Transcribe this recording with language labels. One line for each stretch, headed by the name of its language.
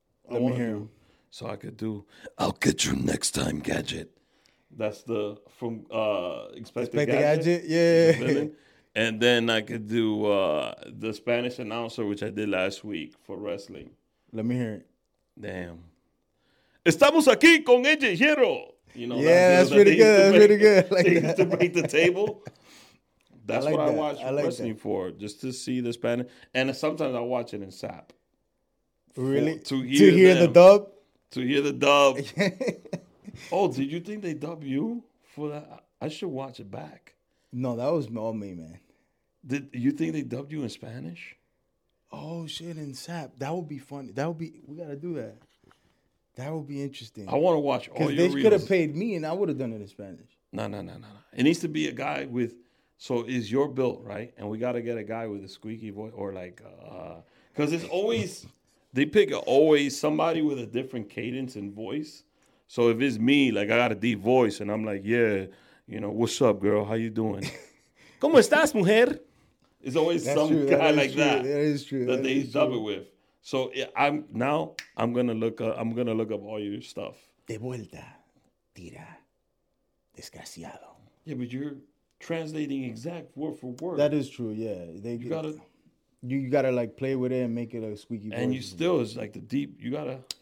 English: Let me hear them. So I could do, I'll get you next time, Gadget. That's the from Inspector Gadget. Yeah. And then I could do the Spanish announcer, which I did last week for wrestling. Let me hear it. Damn.
Spanish: Estamos aquí con AJ Hierro.
English: You know, yeah, that's pretty good. Like they used to break the table. That's like what that. I watch I like wrestling that. For, just to see the Spanish. And sometimes I watch it in SAP. Really? To hear the dub? To hear the dub. Oh, did you think they dubbed you for that? I should watch it back. No, that was all me, man. Did you think they dubbed you in Spanish? Oh, shit, in SAP. That would be funny. That would be... We got to do that. That would be interesting. I want to watch all your reels. Because they could have paid me, and I would have done it in Spanish. No. It needs to be a guy with... So is your build, right? And we got to get a guy with a squeaky voice or like... Because it's always... They pick always somebody with a different cadence and voice. So if it's me, like I got a deep voice and I'm like, yeah, you know, what's up, girl? How you doing? ¿Cómo estás, mujer? It's always that's some true. Guy that like true. That. That is true. That they dub it with. So yeah, I'm going to look up all your stuff.
Spanish: De vuelta, tira, desgraciado.
English: Yeah, but you're translating exact word for word. That is true, yeah. They you got to... You gotta like play with it and make it a squeaky voice. And you still, it's like the deep, you gotta.